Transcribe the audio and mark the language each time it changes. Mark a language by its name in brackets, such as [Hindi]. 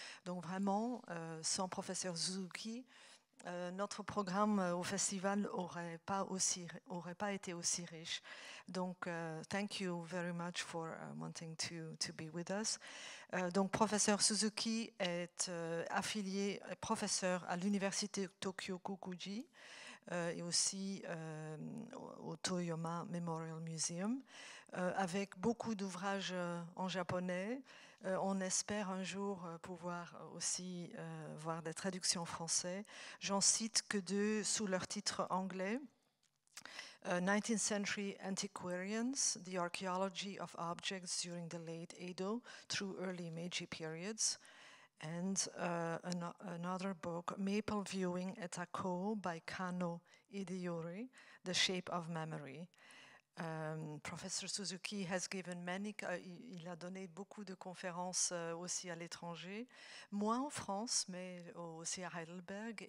[French] Donc vraiment, sans professeur Suzuki, notre programme au festival aurait pas été aussi riche. [English] Donc, thank you very much for wanting to be with us. [French] Donc, professeur Suzuki est affilié professeur à l'université Tokyo Kokuji et aussi au Toyama Memorial Museum, avec beaucoup d'ouvrages en japonais. On espère un jour pouvoir aussi voir des traductions en français. J'en cite que deux sous leur titre anglais. [English] 19th Century Antiquarians, The Archaeology of Objects During the Late Edo Through Early Meiji Periods. And another book, Maple Viewing at Akko by Kano Hideyori, The Shape of Memory. Professor Suzuki has given many, [French] il a donné beaucoup de conférences aussi à l'étranger, moins en France, mais aussi à Heidelberg.